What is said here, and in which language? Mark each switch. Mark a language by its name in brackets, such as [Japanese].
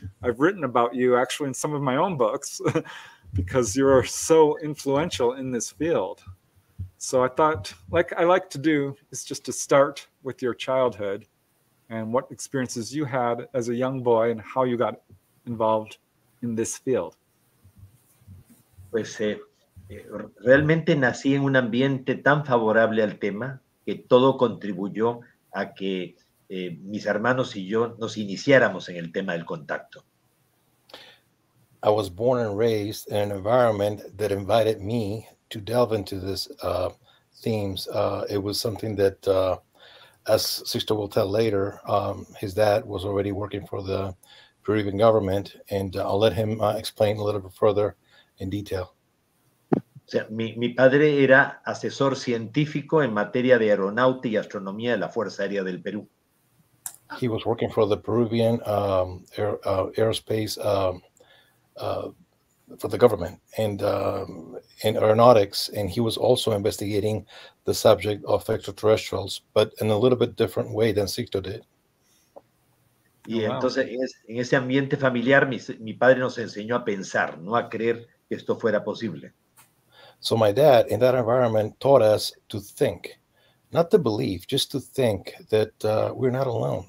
[English] I've written about you actually in some of my own books because you are so influential in this field. So I thought, like I like to do, is just to start with your childhood and what experiences you had as a young boy and how you got involved in this field. [Spanish] Pues realmente nací en un ambiente tan favorable al tema que todo contribuyó a que mis hermanos y yo nos iniciáramos en el tema del contacto. [English] I was born and raised in an environment that invited me to delve into this themes. It was something that, as Sixto will tell later, his dad was already working for the Peruvian government, and I'll let him explain a little bit further in detail. [Spanish] O sea, mi padre era asesor científico en materia de aeronáutica y astronomía de la Fuerza Aérea del Perú. [English] He was working for the Peruvian aerospace for the government and in aeronautics, and he was also investigating the subject of extraterrestrials, but in a little bit different way than Sixto did. [Spanish] Y entonces, en ese ambiente familiar, mi padre nos enseñó a pensar, no a creer que esto fuera posible. [English] So my dad, in that environment, taught us to think. Not to believe, just to think that we're not alone.